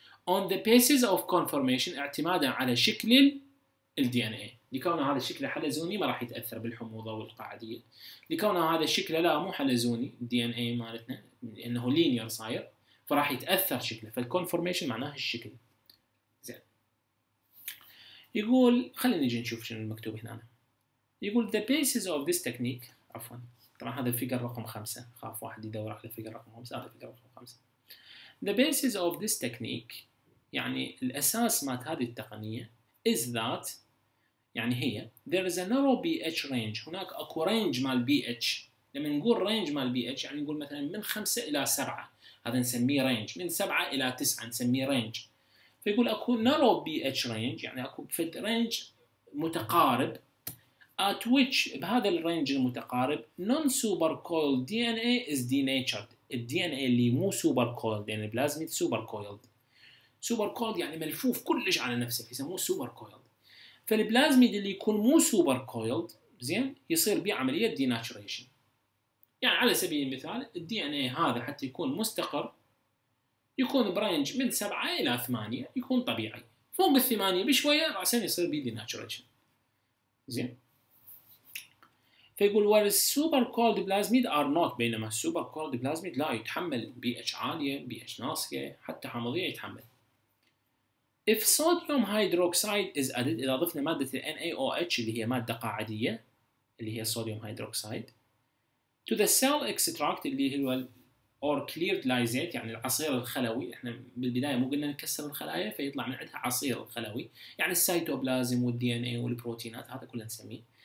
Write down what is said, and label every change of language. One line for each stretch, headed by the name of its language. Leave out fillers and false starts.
English: on the basis of conformation,
Arabic: اعتمادا على شكل الدي ان اي، لكونه هذا الشكل حلزوني ما راح يتاثر بالحموضه والقاعديه، لكونه هذا الشكل لا مو حلزوني الدي ان اي مالتنا لانه لينير صاير فراح يتاثر شكله، فالكونفورميشن معناه الشكل. زين يقول خلينا نجي نشوف شنو المكتوب هنا. يقول
English: the basis of this technique،
Arabic: عفوا طبعا هذا الفيجر رقم 5، خاف واحد يدور على الفيجر رقم 5، هذا الفيجر رقم 5.
English: The basis of this technique،
Arabic: يعني الاساس مات هذه التقنيه،
English: is that،
Arabic: يعني هي
English: there is a narrow pH range،
Arabic: هناك اكو رينج مال pH. لما نقول رينج مال pH يعني نقول مثلا من 5 الى 7، هذا نسميه رينج، من 7 الى 9 نسميه رينج. فيقول اكو
English: narrow pH range،
Arabic: يعني اكو فد رينج متقارب،
English: at which
Arabic: بهذا الرينج المتقارب
English: non super coiled DNA is denatured.
Arabic: ال DNA اللي مو super coiled، يعني البلازميد super coiled. super coiled يعني ملفوف كلش على نفسه، يسموه super coiled. فالبلازميد اللي يكون مو super coiled زين يصير بيه عملية denaturation. يعني على سبيل المثال ال DNA هذا حتى يكون مستقر يكون برينج من 7 إلى 8 يكون طبيعي، فوق الثمانية بشوية رأسين يصير بيه denaturation. زين فيقول
English: where super cold plasmid are not،
Arabic: بينما
English: super cold plasmid
Arabic: لا يتحمل pH عالية pH ناصية حتى حامضية يتحمل.
English: if sodium hydroxide is added،
Arabic: إذا ضفنا مادة NaOH اللي هي مادة قاعدية اللي هي sodium hydroxide
English: to the cell extract
Arabic: اللي هو
English: or cleared lysate،
Arabic: يعني العصير الخلوي، احنا بالبداية مو قلنا نكسر الخلايا فيطلع من عندها عصير خلوي، يعني السيتوبلازم والDNA والبروتينات هذا كله نسميه.